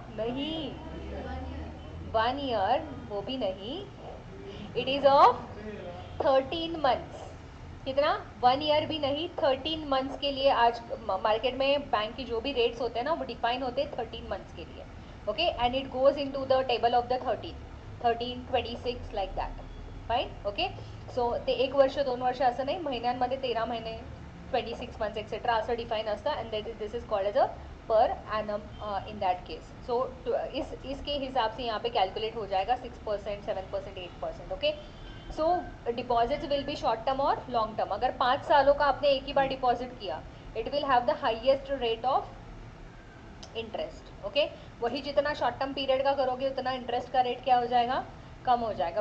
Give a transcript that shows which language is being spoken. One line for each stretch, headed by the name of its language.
Hindi: नहीं, 1 ईयर वो भी नहीं,
English: It is of 13 months.
Hindi: कितना? 1 ईयर भी नहीं, 13 मंथ्स के लिए। आज मार्केट में बैंक की जो भी रेट्स होते हैं ना वो डिफाइन होते हैं 13 मंथ्स के लिए, okay.
English: And it goes into the table of the 13, 26 like that, fine, okay.
Marathi: So ते एक वर्ष दोन वर्ष असं नाही, महिन्यांमध्ये 13 महिने, 26 मंथ्स एक्सेट्रा असं डिफाईन असतं,
English: And that this is called as a per enum in that case.
Hindi: सो इसके हिसाब से यहाँ पे कॅल्क्युलेट हो जाएगा 6%, 7%, 8%, okay.
English: So deposits will be short term और long term.
Hindi: अगर 5 सालों का आपने एक ही बार डिपॉजिट किया,
English: it will have the highest rate of interest,
Hindi: okay. वही जितना शॉर्ट टर्म पीरियड का करोगे उतना इंटरेस्ट का रेट क्या हो जाएगा, कम हो जाएगा।